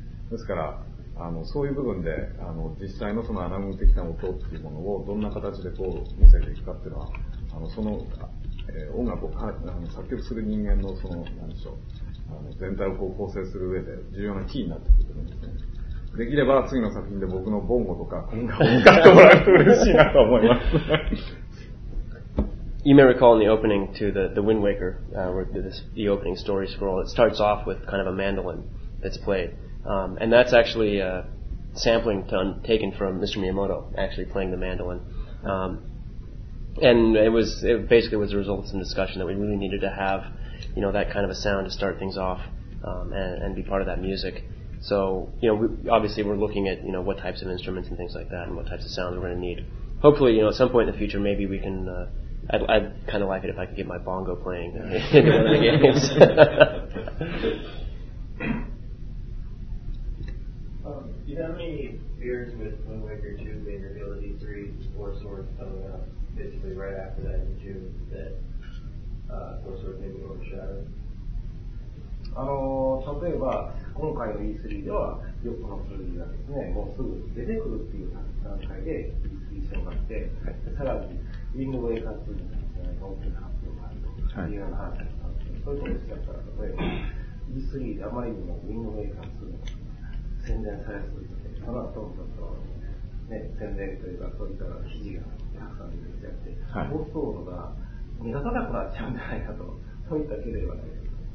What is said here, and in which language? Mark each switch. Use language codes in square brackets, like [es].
[ja] ですからそういう部分で実際のそのアナログ的な音っていうものをどんな形でこう見せていくかっていうのはその、音楽を作曲する人間のその何でしょう全体をこう構成する上で重要なキーになってくると思うんですね。できれば次の作品で僕のボンゴとかコンガを使ってもらえると嬉しいなと思います。 [en] You may recall in the opening to the Wind Waker, the opening story scroll, it starts off with kind of a mandolin that's played. And that's actually a sampling taken from Mr. Miyamoto actually playing the mandolin. And it basically was a result of some discussion that we really needed to have, you know, that kind of a sound to start things off and be part of that music. So, you know, we're looking at, you know, what types of instruments and things like that and what types of sounds we're going to need. Hopefully, you know, at some point in the future, maybe we can... I'd kind of like it if I could get my bongo playing in one of the games. Do you have any fears with Wind Waker 2 being revealed at E3, Four Swords coming out basically right after that in June, that Four Swords may be overshadowed? [ja] 例えば今回の E3 では4つのプレビューがですね、もうすぐ出てくるっていう段階で E3 賞があって、はい、さらにウィンドウェイカー2に大きな発表があるというような話だったんですけど、はい、そういうことですから、例えば E3 であまりにもウィンドウェイカー2の宣伝されすぎて、そのあとちょっと、ね、宣伝というか、それから記事がたくさん出てきちゃって、放送が目立たなくなっちゃうんじゃないかと、そういった気ではないですか。